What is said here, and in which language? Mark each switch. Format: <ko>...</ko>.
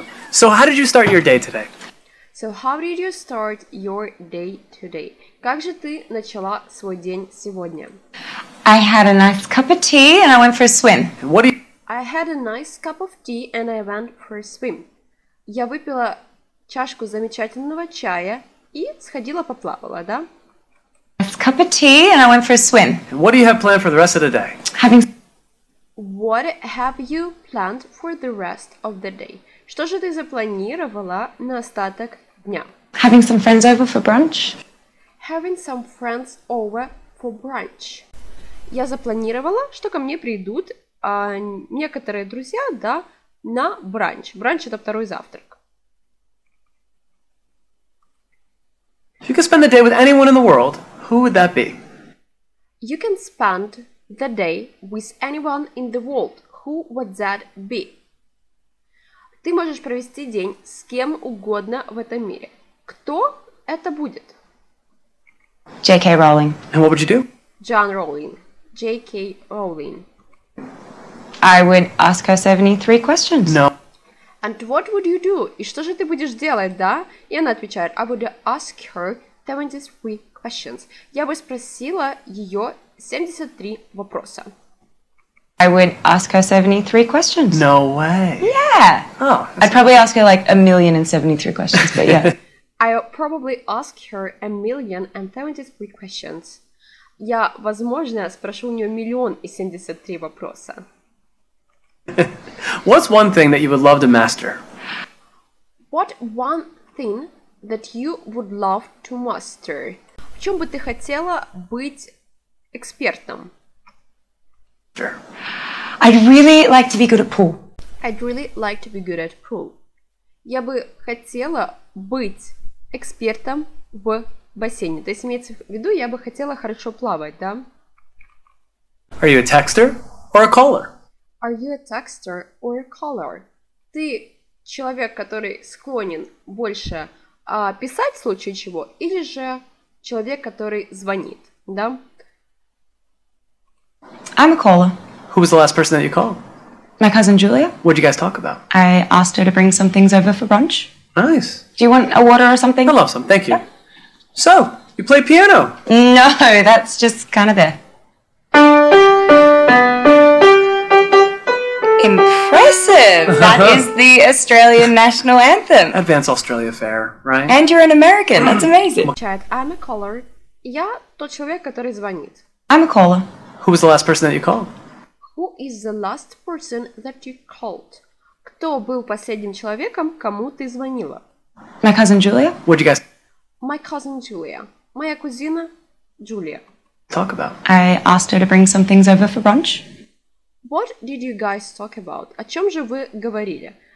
<en>So how did you start your day today? So how did you start your day today?</en> <ru>Как же ты начала свой день сегодня?</ru> <en>I had a nice cup of tea and I went for a swim. What do you... I had a nice cup of tea and I went for a swim.</en> <ru>Я выпила чашку замечательного чая и сходила поплавала, да?</ru> <en>Nice cup of tea and I went for a swim. What do you have planned for the rest of the day? Having... What have you planned for the rest of the day?</en> <ru>Что же ты запланировала на остаток дня?</ru> <en>Having some friends over for brunch. Having some friends over for brunch.</en> <ru>Я запланировала, что ко мне придут некоторые друзья, да, на бранч. Бранч — это второй завтрак.</ru> <en>If you could spend the day with anyone in the world, who would that be? You can spend the day with anyone in the world. Who would that be?</en> <ru>Ты можешь провести день с кем угодно в этом мире. Кто это будет?</ru> <en>J.K. Rowling. And what would you do? John Rowling. J.K. Rowling. I would ask her 73 questions. No. And what would you do?</en> <ru>И что же ты будешь делать, да? И она отвечает,</ru> <en>I would ask her 73 questions.</en> <ru>Я бы спросила ее 73 вопроса.</ru> <en>I would ask her 73 questions. No way. Yeah. Oh. I'd probably ask her like 1,073 questions, but yeah. I'll probably ask her 1,073 questions.</en> <ru>Я, возможно, спрошу у нее 1,073 вопроса.</ru> <en>What's one thing that you would love to master? What one thing that you would love to master?</en> <ru>В чем бы ты хотела быть экспертом?</ru> <en>Sure. I'd really like to be good at pool. I'd really like to be good at pool.</en> <ru>Я бы хотела быть экспертом в бассейне. То есть имеется в виду, я бы хотела хорошо плавать, да?</ru> <en>Are you a texter or a caller? Are you a texter or a caller?</en> <ru>Ты человек, который склонен больше писать в случае чего, или же человек, который звонит, да?</ru> <en>I'm a caller. Who was the last person that you called? My cousin Julia. What did you guys talk about? I asked her to bring some things over for brunch. Nice. Do you want a water or something? I love some, thank you. Yeah. So, you play piano? No, that's just kind of there. Impressive! That is the Australian national anthem. Advance Australia Fair, right? And you're an American, that's amazing. Chad, I'm a caller.</en> <ru>Я тот человек, который звонит.</ru> <en>I'm a caller. Who was the last person that you called? Who is the last person that you called?</en> <ru>Кто был последним человеком, кому ты звонила?</ru> <en>My cousin Julia. What'd you guys... My cousin Julia.</en> <ru>Моя кузина</ru> <en>Julia. Talk about. I asked her to bring some things over for brunch. What did you guys talk about?</en> <ru>О чем же вы говорили?</ru>